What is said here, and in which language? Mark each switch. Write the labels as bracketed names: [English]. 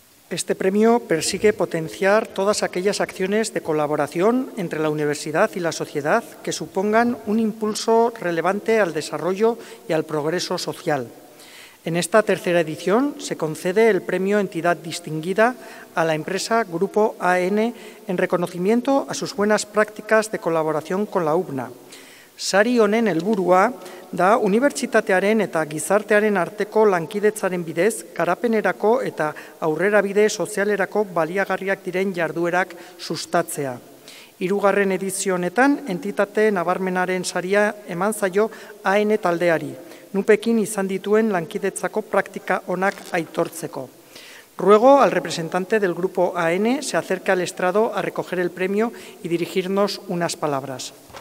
[Spanish] Este premio persigue potenciar todas aquellas acciones de colaboración entre la universidad y la sociedad que supongan un impulso relevante al desarrollo y al progreso social. En esta tercera edición se concede el premio Entidad Distinguida a la empresa Grupo AN en reconocimiento a sus buenas prácticas de colaboración con la UBNA. [Basque] Sari honen helburua da unibertsitatearen eta gizartearen arteko lankidetzaren bidez garapenerako eta aurrerabide sozialerako baliagarriak diren jarduerak sustatzea. Hirugarren edizio honetan entitate nabarmenaren saria eman zaio AN taldeari, NUPEkin izan dituen lankidetzako praktika onak aitortzeko. [Spanish] Ruego al representante del grupo AN se acerque al estrado a recoger el premio y dirigirnos unas palabras.